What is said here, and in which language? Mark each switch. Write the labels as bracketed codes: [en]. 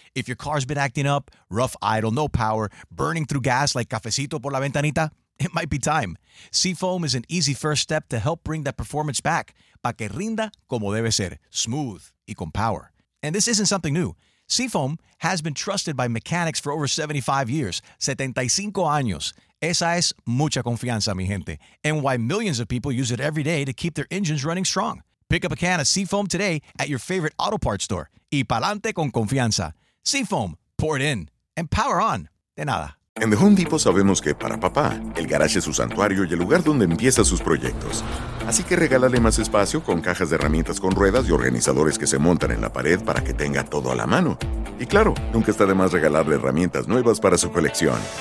[en] If your car's been acting up, rough idle, no power, burning through gas like [es] cafecito por la ventanita, [en] it might be time. Seafoam is an easy first step to help bring that performance back. [es] Pa que rinda como debe ser, smooth y con power. [en] And this isn't something new. Seafoam has been trusted by mechanics for over 75 years. [es] 75 años. Esa es mucha confianza, mi gente. [en] And why millions of people use it every day to keep their engines running strong. Pick up a can of Seafoam today at your favorite auto parts store. [es] Y pa'lante con confianza. Seafoam, [en] pour it in. And power on. [es] De nada. En The Home Depot sabemos que para papá, el garage es su santuario y el lugar donde empieza sus proyectos. Así que regálale más espacio con cajas de herramientas con ruedas y organizadores que se montan en la pared para que tenga todo a la mano. Y claro, nunca está de más regalarle herramientas nuevas para su colección.